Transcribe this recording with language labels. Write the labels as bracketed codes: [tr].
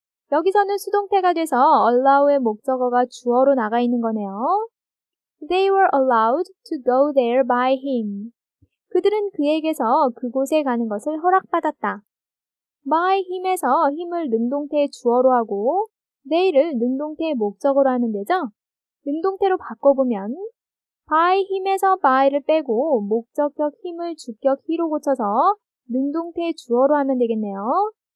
[ko] 여기서는 수동태가 돼서 allow의 목적어가 주어로 나가 있는 거네요. [en] They were allowed to go there by him. [ko] 그들은 그에게서 그곳에 가는 것을 허락받았다. by him에서 him을 능동태의 주어로 하고 they를 능동태의 목적어로 하면 되죠. 능동태로 바꿔보면 by him에서 by를 빼고 목적격 him을 주격 he로 고쳐서 능동태의 주어로 하면 되겠네요.